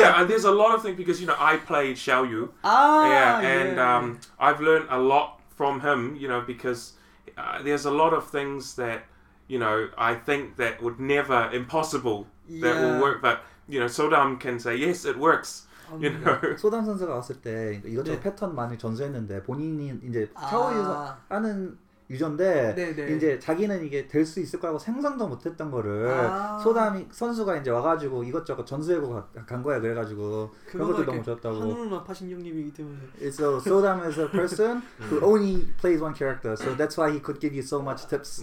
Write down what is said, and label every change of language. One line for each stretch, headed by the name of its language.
English: Yeah, and there's a lot of things because you know I played Xiaoyu. I've learned a lot from him, you know, because. There's a lot of things that, you know, I think that would never, impossible, that will work. But, you know, Sodam can say, yes, it works. you know.
Korean: 소담 선수가 왔을 때 이것저것 네. 패턴 많이 전수했는데 본인이 이제 차원에서 하는 유전인데 이제 자기는 이게 될 수 있을 거라고 생각도 못 했던 거를 소담이 선수가 이제 와 가지고 이것저것 전수하고 간 거야. 그래 가지고 그것도 너무 좋았다고. 하늘로 나파신 형님이기 때문에.
English: It's so Sodam is a person who only plays one character. So that's why he could give you so much tips.